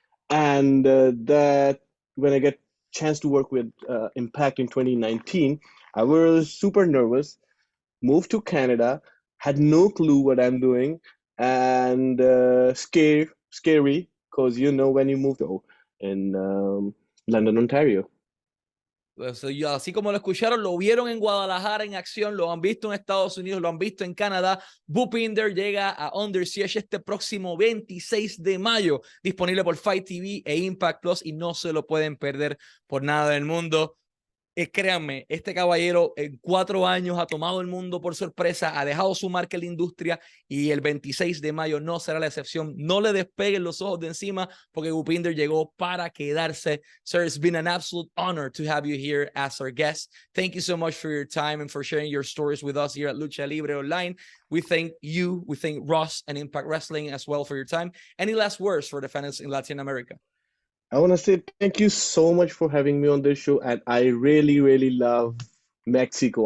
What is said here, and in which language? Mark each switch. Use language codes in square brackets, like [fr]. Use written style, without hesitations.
[en] And that when I get chance to work with Impact in 2019, I was super nervous, moved to Canada, had no clue what I'm doing, and scary, because you know when you move to in London, Ontario. [es] Así como lo escucharon, lo vieron en Guadalajara en acción, lo han visto en Estados Unidos, lo han visto en Canadá. Bupinder llega a Under Siege este próximo 26 de mayo, disponible por Fight TV e Impact Plus, y no se lo pueden perder por nada del mundo. Créanme, este caballero en 4 años ha tomado el mundo por sorpresa, ha dejado su marca en la industria, y el 26 de mayo no será la excepción. No le despeguen los ojos de encima, porque Bupinder llegó para quedarse. [en] Sir, it's been an absolute honor to have you here as our guest. Thank you so much for your time and for sharing your stories with us here at Lucha Libre Online. We thank you, we thank Ross and Impact Wrestling as well for your time. Any last words for the fans in Latin America? I want to say thank you so much for having me on this show. And I really, really love Mexico.